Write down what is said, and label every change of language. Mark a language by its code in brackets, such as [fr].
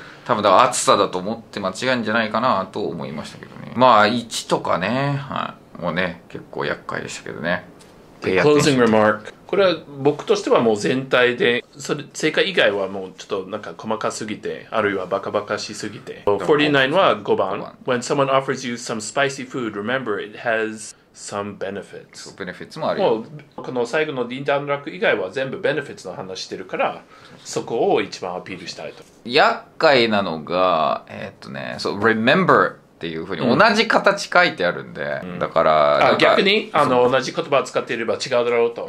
[ja] 多分だから暑さだと思って間違いんじゃないかなと思いましたけどね。まあ1とかね、はい、もうね結構厄介でしたけどね。 Closing remark。これは僕としてはもう全体で、それ正解以外はもうちょっとなんか細かすぎて、あるいはバカバカしすぎて。 49は5番。5番。 [en] When someone offers you some spicy food, remember it has some benefits。 [ja] そう、ベネフィッツもあるよ。もうこの最後のディンダンラック以外は全部ベネフィッツの話してるから、そこを一番アピールしたいと。厄介なのがそう、 remember っていう風に同じ形書いてあるんで、うん、だから、あ、逆に同じ言葉を使っていれば違うだろうと、